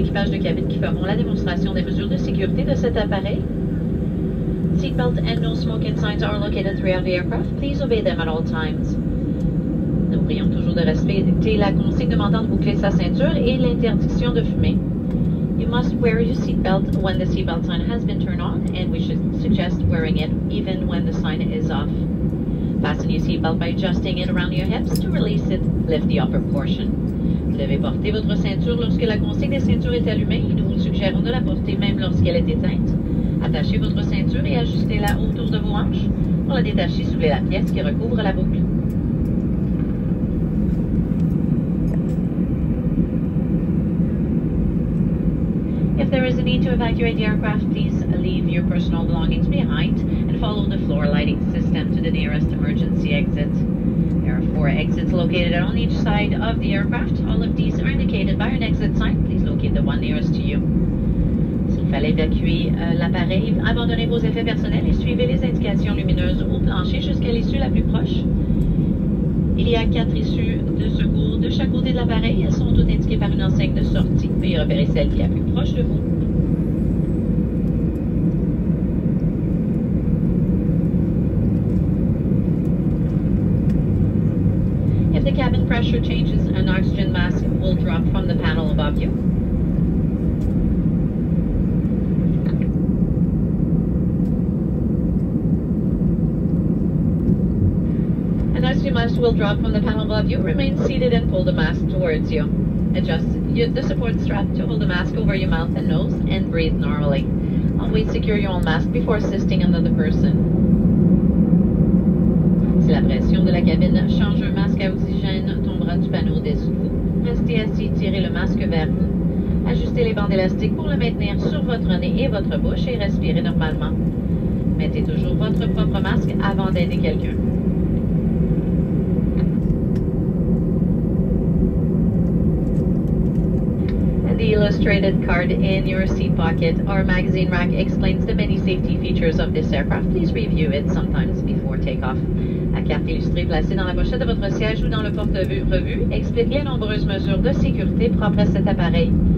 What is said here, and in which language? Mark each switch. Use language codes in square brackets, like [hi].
[fr] De cabine qui feront la démonstration des mesures de sécurité de cet appareil. [en] Seatbelt and no smoking signs are located throughout the aircraft. Please obey them at all times. [fr] Nous prions toujours de respecter la consigne demandant de boucler sa ceinture et l'interdiction de fumer. [en] You must wear your seatbelt when the seatbelt sign has been turned on, and we should suggest wearing it even when the sign is off. Fasten your seatbelt by adjusting it around your hips to release it. Lift the upper portion. [fr] Vous devez porter votre ceinture lorsque la consigne des ceintures est allumée et nous vous suggérons de la porter même lorsqu'elle est éteinte. Attachez votre ceinture et ajustez-la autour de vos hanches pour la détacher sous la pièce qui recouvre la boucle. [en] If there is a need to evacuate the aircraft, please leave your personal belongings behind and follow the floor lighting system to the nearest emergency exit. There are four exits located on each side of the aircraft. All of these are indicated by an exit sign. Please locate the one nearest to you. [fr] Il fallait évacuer l'appareil, abandonnez vos effets personnels et suivez les indications lumineuses au plancher jusqu'à l'issue la plus proche. Il y a quatre issues de secours de chaque côté de l'appareil. Elles sont toutes indiquées par une enseigne de sortie. Veuillez repérer celle qui est la plus proche de vous. [en] If the cabin pressure changes, an oxygen mask will drop from the panel above you. Will drop from the panel above you. Remain seated and pull the mask towards you. Adjust the support strap to hold the mask over your mouth and nose and breathe normally. Always secure your own mask before assisting another person. [fr] Si la pression de la cabine change, un masque à oxygène tombera du panneau dessous vous. Restez assis, tirez le masque vers vous. Ajustez les bandes élastiques pour le maintenir sur votre nez et votre bouche et respirez normalement. Mettez toujours votre propre masque avant d'aider quelqu'un. [en] The illustrated card in your seat pocket or magazine rack explains the many safety features of this aircraft. Please review it sometimes before takeoff. [fr] La carte illustrée placée dans la pochette de votre siège ou dans le porte-revue explique les nombreuses mesures de sécurité propres à cet appareil.